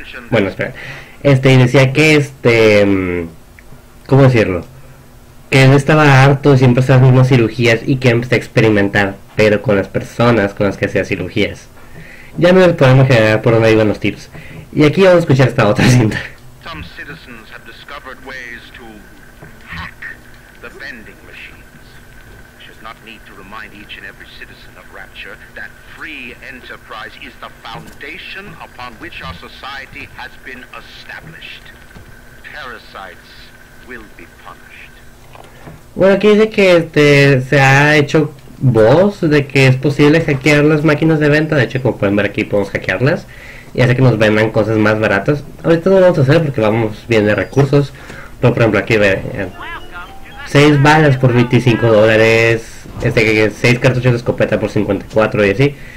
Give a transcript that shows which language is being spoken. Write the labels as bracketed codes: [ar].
[es] Bueno, espera. Y decía que ¿cómo decirlo? Que él estaba harto de siempre hacer las mismas cirugías y que empezó a experimentar, pero con las personas con las que hacía cirugías. Ya me podemos generar por dónde iban los tiros. Y aquí vamos a escuchar esta otra cinta. [en] Some citizens have discovered ways to hack the vending machines. Should not need to remind each and every citizen of Rapture that free enterprise is the foundation upon which our society has been established. Parasites will be punished. [es] Bueno, aquí dice que se ha hecho voz de que es posible hackear las máquinas de venta. De hecho, como pueden ver aquí, podemos hackearlas y hace que nos vendan cosas más baratas. Ahorita no lo vamos a hacer porque vamos bien de recursos, pero por ejemplo aquí ven 6 balas por $25, 6 cartuchos de escopeta por 54 y así.